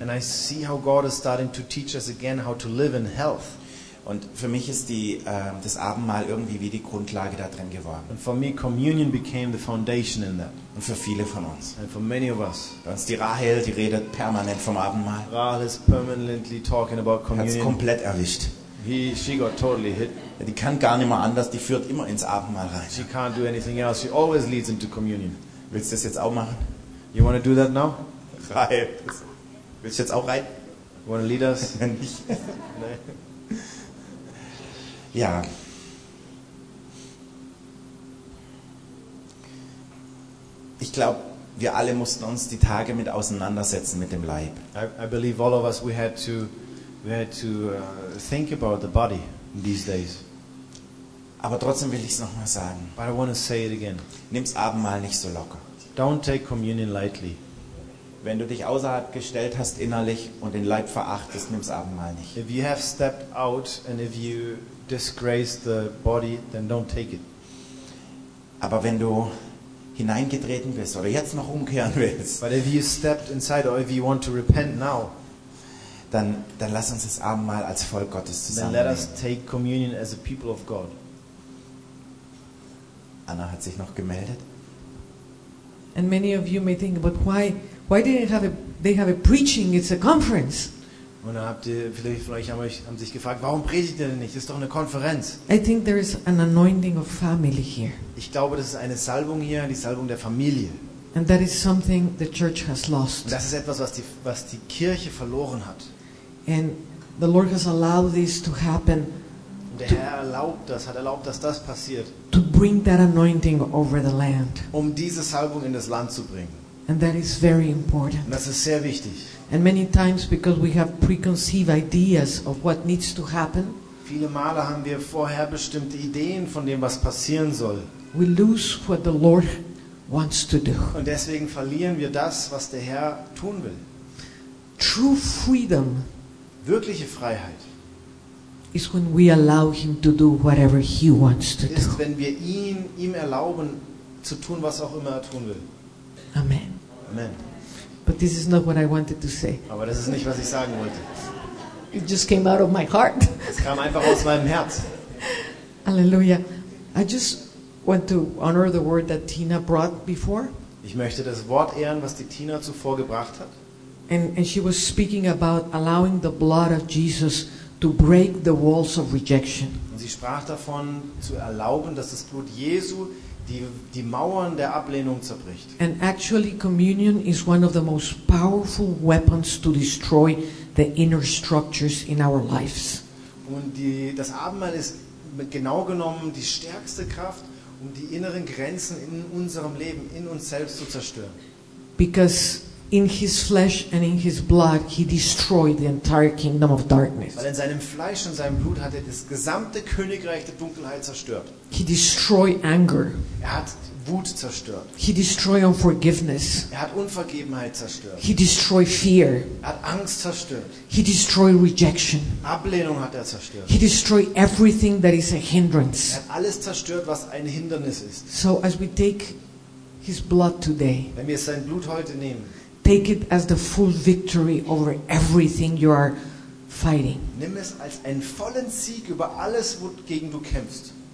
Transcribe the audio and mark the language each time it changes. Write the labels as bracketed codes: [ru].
[en] And I see how God is starting to teach us again how to live in health. [de] Und für mich ist das Abendmahl irgendwie wie die Grundlage da drin geworden. [en] And for me, communion became the foundation in that. [de] Und für viele von uns. [en] And for many of us. [de] Bei uns die Rahel, die redet permanent vom Abendmahl. [en] Rahel is permanently talking about communion. [de] Hat's komplett erwischt. [en] She got totally hit. [de] Ja, die kann gar nicht mehr anders, die führt immer ins Abendmahl rein. [en] She can't do anything else, she always leads into communion. [de] Willst du das jetzt auch machen? [en] You want to do that now? [de] Rahel, willst du jetzt auch rein? [en] You want to lead us? [de] Nein. Ja. Ich glaube, wir alle mussten uns die Tage mit auseinandersetzen mit dem Leib. [en] I believe all of us we had to think about the body these days. [de] Aber trotzdem will ich es nochmal sagen. [en] But I want to say it again. [de] Nimm's Abendmahl nicht so locker. [en] Don't take communion lightly. [de] Wenn du dich außerhalb gestellt hast innerlich und den Leib verachtest, nimm's Abendmahl nicht. [en] If you have stepped out and if you disgrace the body, then don't take it. [de] Aber wenn du hineingetreten bist oder jetzt noch umkehren willst, [en] but if you stepped inside or if you want to repent now, [de] dann lass uns das Abendmahl als Volk Gottes zusammen. Then let us take communion as a people of God. Anna hat sich noch gemeldet. [en] And many of you may think, but why didn't they have a preaching? It's a conference. [de] Und dann habt ihr vielleicht von euch haben sich gefragt, warum predigt ihr denn nicht? Das ist doch eine Konferenz. [en] I think there is an anointing of family here. [de] Ich glaube, das ist eine Salbung hier, die Salbung der Familie. [en] And that is something the church has lost. [de] Und das ist etwas, was die Kirche verloren hat. [en] And the Lord has allowed this to happen. [de] Und der Herr hat erlaubt, dass das passiert. [en] To bring that anointing over the land. [de] Um diese Salbung in das Land zu bringen. [en] And that is very important. [de] Und das ist sehr wichtig. [en] And many times because we have preconceived ideas of what needs to happen. [de] Viele Male haben wir vorher bestimmte Ideen von dem, was passieren soll. [en] We lose what the Lord wants to do. [de] Und deswegen verlieren wir das, was der Herr tun will. [en] True freedom. [de] Wirkliche Freiheit. [en] Is when we allow him to do whatever he wants to do. [de] Ist, wenn wir ihm erlauben zu tun, was auch immer er tun will. [en] Amen. [de] Amen. [en] But this is not what I wanted to say. [de] Aber das ist nicht, was ich sagen wollte. [en] It just came out of my heart. [de] Es kam einfach aus meinem Herz. [en] Hallelujah. I just want to honor the word that Tina brought before. [de] Ich möchte das Wort ehren, was die Tina zuvor gebracht hat. [en] And she was speaking about allowing the blood of Jesus to break the walls of rejection. [de] Und sie sprach davon, zu erlauben, dass das Blut Jesu die Mauern der Ablehnung zerbricht. [en] And actually communion is one of the most powerful weapons to destroy the inner structures in our lives. [de] Und das Abendmahl ist genau genommen die stärkste Kraft, um die inneren Grenzen in unserem Leben, in uns selbst zu zerstören. [en] Because in his flesh and in his blood he destroyed the entire kingdom of darkness. [de] Weil in seinem Fleisch und seinem Blut hat er das gesamte Königreich der Dunkelheit zerstört. [en] He destroyed anger. [de] Er hat Wut zerstört. [en] He destroyed unforgiveness. [de] Er hat Unvergebenheit zerstört. [en] He destroyed fear. [de] Er hat Angst zerstört. [en] He destroyed rejection. [de] Ablehnung hat er zerstört. [en] He destroyed everything that is a hindrance. [de] Er hat alles zerstört, was ein Hindernis ist. [en] So as we take his blood today. [de] Wenn wir sein Blut heute nehmen. [en] Take it as the full victory over everything you are fighting. [de] Nimm es als einen vollen Sieg über alles, wogegen du kämpfst.